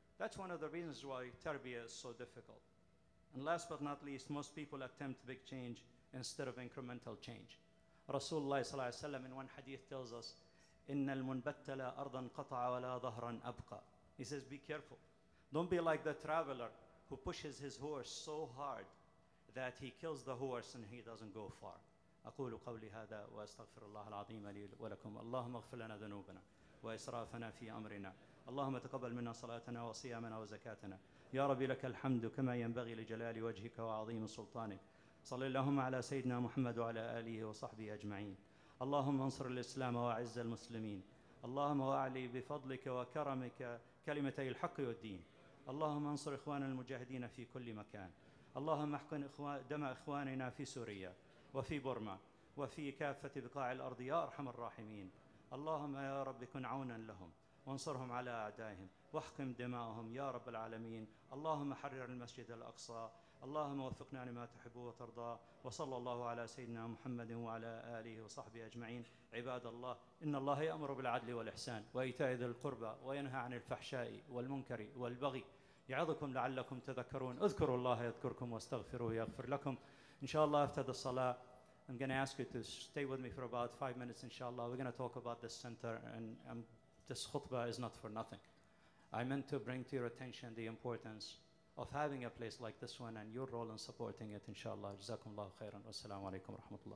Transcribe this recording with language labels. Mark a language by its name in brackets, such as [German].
[English] That's one of the reasons why tarbiyah is so difficult. And last but not least, most people attempt big change instead of incremental change. Rasulullah sallallahu alaihi wasallam in one hadith tells us, [Arabic] "Inna al-munbattala ardan qata'a wa la dhahran abqa." [English] He says, be careful. Don't be like the traveler who pushes his horse so hard that he kills the horse and he doesn't go far. [Arabic] أقول قولي هذا وأستغفر الله العظيم لي ولكم. اللهم اغفر لنا ذنوبنا وإسرافنا في أمرنا. اللهم تقبل منا صلاتنا وصيامنا وزكاتنا. يا ربي لك الحمد كما ينبغي لجلال وجهك وعظيم سلطانك. صلي اللهم على سيدنا محمد وعلى آله وصحبه أجمعين. اللهم انصر الإسلام وأعز المسلمين. اللهم أعلي بفضلك وكرمك كلمتي الحق والدين. اللهم انصر إخواننا المجاهدين في كل مكان. اللهم احقن دم إخواننا في سوريا وفي بورما وفي كافة بقاع الأرض يا أرحم الراحمين. اللهم يا رب كن عونا لهم وانصرهم على أعدائهم واحقن دماءهم يا رب العالمين. اللهم حرر المسجد الأقصى. اللهم وفقنا لما تحب وترضى. وصلى الله على سيدنا محمد وعلى آله وصحبه أجمعين. عباد الله، إن الله يأمر بالعدل والإحسان وإيتاء ذي القربى وينهى عن الفحشاء والمنكر والبغي يعظكم لعلكم تذكرون. اذكروا الله يذكركم واستغفروه يغفر لكم. [English] إن شاء الله after the salah, I'm going to ask you to stay with me for about 5 minutes inshallah. We're going to talk about this center and this khutbah is not for nothing. I meant to bring to your attention the importance of having a place like this one and your role in supporting it, inshallah. Jazakum Allah khairan. Wassalamu alaikum wa rahmatullah.